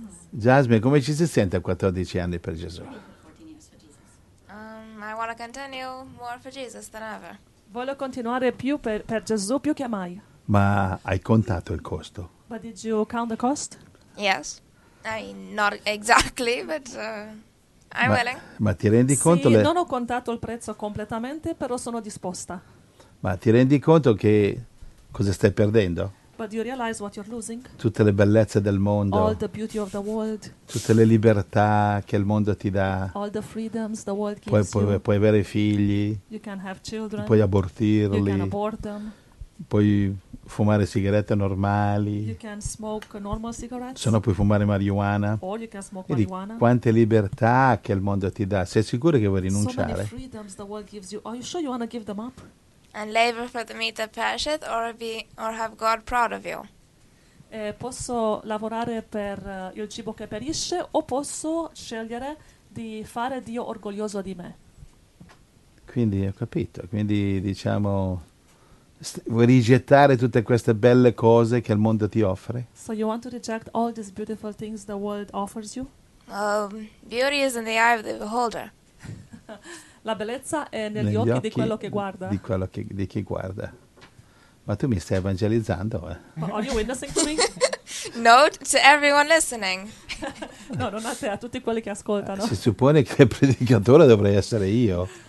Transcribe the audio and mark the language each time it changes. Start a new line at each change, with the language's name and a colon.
Italian: Jasmine, come ci si sente a 14 anni per Gesù?
English: I want to continue more for Jesus than ever.
Italian: Voglio continuare più per Gesù più che mai. Ma hai contato il costo?
English: But did you count the cost? Yes. I not exactly, but I'm willing.
Italian: Ma ti rendi conto? Sì, non ho contato il prezzo completamente, però sono disposta. Ma ti rendi conto che cosa stai perdendo?
English: But you realize what you're losing?
Italian: Tutte le bellezze del mondo.
English: All the beauty of the world.
Italian: Tutte le libertà che il mondo ti dà.
English: All the freedoms the world gives
Italian: puoi avere figli.
English: You can have children.
Italian: Puoi abortirli.
English: You can abort them.
Italian: Puoi fumare sigarette normali.
English: You can smoke normal cigarettes.
Italian: Se no puoi fumare marijuana.
English: Or you can smoke marijuana.
Italian: Quante libertà che il mondo ti dà. Sei sicuro che vuoi rinunciare?
English: So many freedoms the world gives you. Are you sure you want to give them up? And labor for the meat that perisheth, or have God proud of you?
Italian: Posso lavorare per il cibo che perisce, o posso scegliere di fare Dio orgoglioso di me? Quindi ho capito. Quindi diciamo, vuoi rigettare tutte queste belle cose che il mondo ti offre?
English: So you want to reject all these beautiful things the world offers you? Beauty is in the eye of the beholder.
Italian: La bellezza è negli occhi, di quello che guarda. Di chi guarda. Ma tu mi stai evangelizzando.
English: Are you witnessing to me? No, to everyone listening.
Italian: No, non a te, a tutti quelli che ascoltano. Si suppone che il predicatore dovrei essere io.